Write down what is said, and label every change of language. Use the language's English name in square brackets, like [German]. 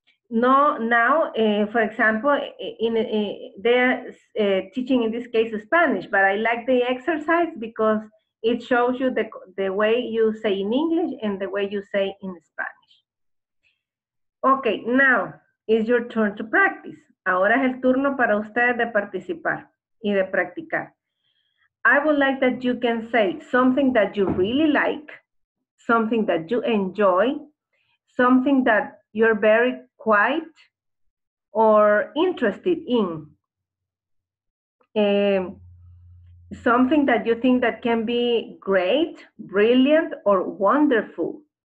[English] No, now, for example, they're teaching in this case Spanish, but I like the exercise because it shows you the way you say in English and the way you say in Spanish. Okay, now, it's your turn to practice. [Spanish] Ahora es el turno para ustedes de participar y de practicar. [English] I would like that you can say something that you really like, something that you enjoy, something that you're very quiet or interested in. Something that you think that can be great, brilliant, or wonderful.